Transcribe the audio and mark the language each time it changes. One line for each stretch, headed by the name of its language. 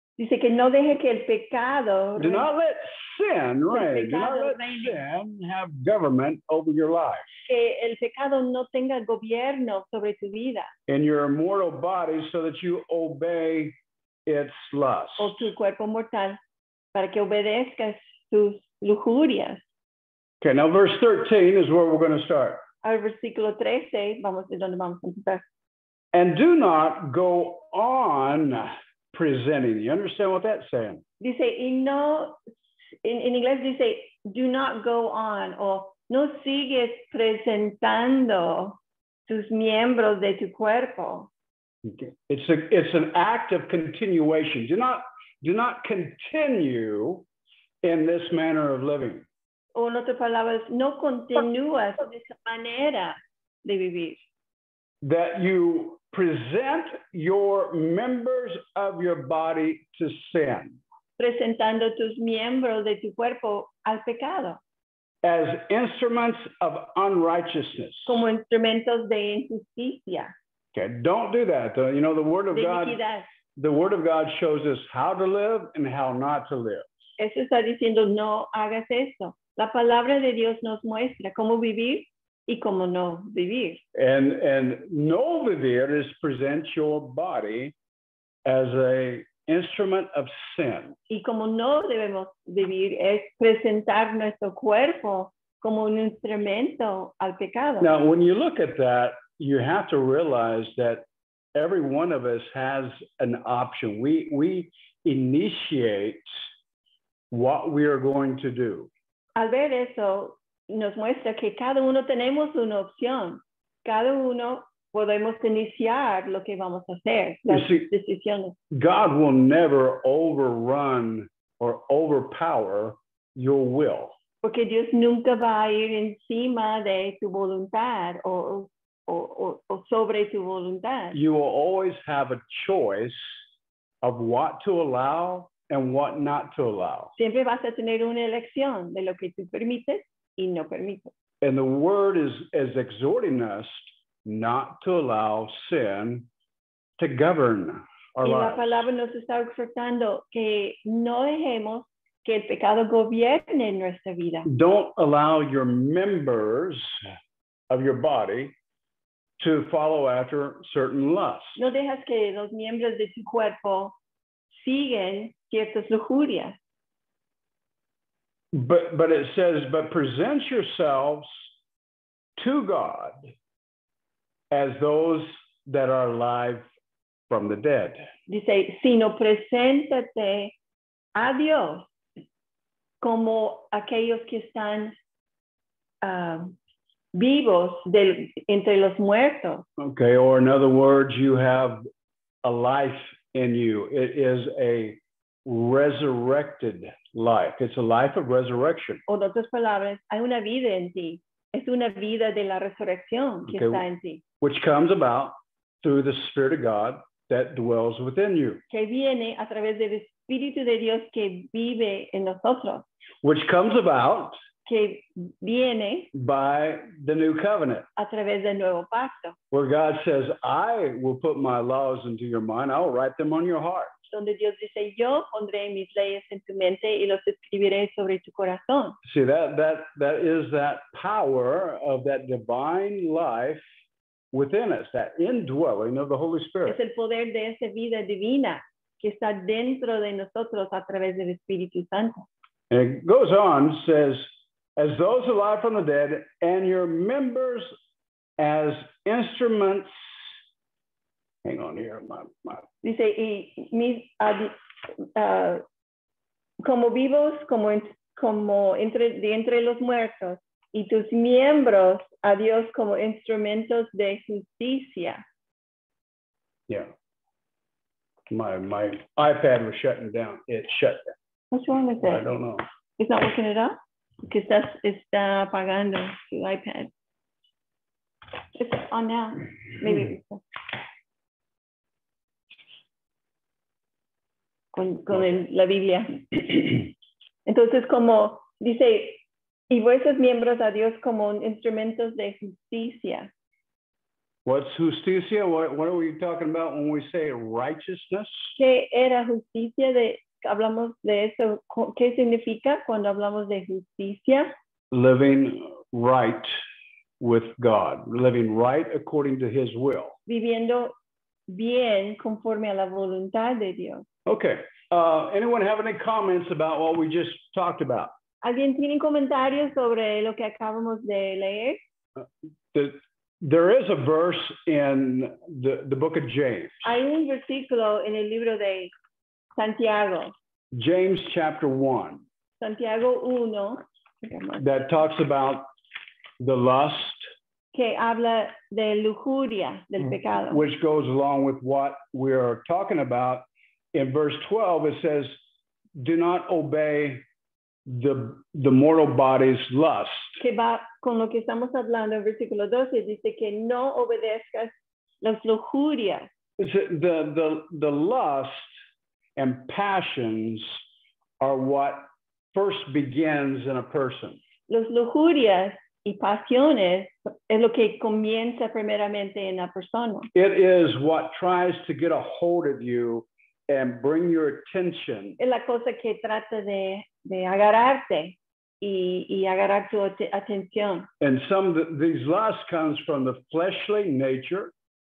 Spanish: Dice que no deje que el pecado.
English: Do not let sin reign. Do not let sin have government over your life.
Spanish: Que el pecado no tenga gobierno sobre tu vida.
English: In your mortal body, so that you obey its lust.
Spanish: O tu cuerpo mortal, para que obedezcas sus lujurias.
English: Okay, now verse 13 is where we're going to start.
Spanish: Al versículo 13, vamos a donde vamos a empezar.
English: And do not go on presenting. You understand what that's saying?
Spanish: Dice, y no,
English: in English,
Spanish: dice,
English: do not go on,
Spanish: or no sigues presentando tus miembros de tu cuerpo.
English: Okay. It's an act of continuation. Do not continue in this manner of living.
Spanish: O en otras palabras, no continúas de esa manera de vivir.
English: That you present your members of your body to sin.
Spanish: Presentando tus miembros de tu cuerpo al pecado.
English: As instruments of unrighteousness.
Spanish: Como instrumentos de injusticia.
English: Okay, don't do that. You know, the word of God shows us how to live and how not to live.
Spanish: Eso está diciendo, no hagas eso. La palabra de Dios nos muestra cómo vivir y cómo no vivir.
English: And
Spanish: no vivir
English: is present your body as a instrument of sin.
Spanish: Y como no debemos vivir es presentar nuestro cuerpo como un instrumento al pecado.
English: Now, when you look at that, you have to realize that every one of us has an option. We initiate what we are going to do.
Spanish: Al ver eso, nos muestra que cada uno tenemos una opción. Cada uno podemos iniciar lo que vamos a hacer, las decisiones.
English: God will never overrun or overpower your will.
Spanish: Porque Dios nunca va a ir encima de tu voluntad o sobre tu voluntad.
English: You will always have a choice of what to allow and what not to allow.
Spanish: Siempre vas a tener una elección de lo que tú permites y no permites.
English: And the word is exhorting us not to allow sin to govern our lives.
Spanish: Y la palabra nos está exhortando que no dejemos que el pecado gobierne en nuestra vida.
English: Don't allow your members of your body to follow after certain lusts.
Spanish: No dejas que los miembros de tu cuerpo sigan ciertas lujurias.
English: But it says, but present yourselves to God as those that are alive from the dead.
Spanish: Dice, sino preséntate a Dios como aquellos que están vivos entre los muertos.
English: Okay, or in other words, you have a life in you. It is a resurrected life. It's a life of resurrection.
Spanish: O en otras palabras, hay una vida en ti. Es una vida de la resurrección que okay, está en ti.
English: Which comes about through the Spirit of God that dwells within you.
Spanish: Que viene a través del Espíritu de Dios que vive en nosotros.
English: Which comes about
Spanish: que viene
English: by the new covenant.
Spanish: A través del nuevo pacto.
English: Where God says, I will put my laws into your mind. I will write them on your heart.
Spanish: Donde Dios dice, yo pondré mis leyes en tu mente y los escribiré sobre tu corazón.
English: See, that is that power of that divine life within us, that indwelling of the Holy Spirit.
Spanish: Es el poder de esa vida divina que está dentro de nosotros a través del Espíritu Santo.
English: And it goes on, says, as those alive from the dead and your members as instruments. Hang on here,
Spanish: Dice, y mis, como vivos, como entre los muertos, y tus miembros a Dios como instrumentos de justicia.
English: Yeah. My iPad was shutting down. It shut down. What's wrong with that? I don't know. It's not working it up? Because that's
Spanish: está apagando
English: the iPad. It's on now. Maybe.
Spanish: Con la Biblia. Entonces, como dice, y vuestros miembros a Dios como instrumentos de justicia.
English: What's justicia? What are we talking about when we say righteousness?
Spanish: ¿Qué era justicia? Hablamos de eso. ¿Qué significa cuando hablamos de justicia?
English: Living right with God. Living right according to His will.
Spanish: Viviendo bien conforme a la voluntad de Dios.
English: Okay. Anyone have any comments about what we just talked about?
Spanish: ¿Alguien tiene comentarios sobre lo que acabamos de leer?
English: There is a verse in the book of James.
Spanish: Hay un versículo en el libro de Santiago.
English: James chapter 1.
Spanish: Santiago 1.
English: That talks about the lust.
Spanish: Que habla de lujuria, del pecado.
English: Which goes along with what we are talking about. In verse 12, it says, do not obey the mortal body's lust.
Spanish: Que va con lo que estamos hablando en versículo 12, dice que no obedezcas las lujurias.
English: The lust and passions are what first begins in a person.
Spanish: Las lujurias y pasiones es lo que comienza primeramente en la persona.
English: It is what tries to get a hold of you and bring your attention.
Spanish: Es la cosa que trata de agarrarte y agarrar tu atención.
English: And some of these lusts comes from the fleshly nature.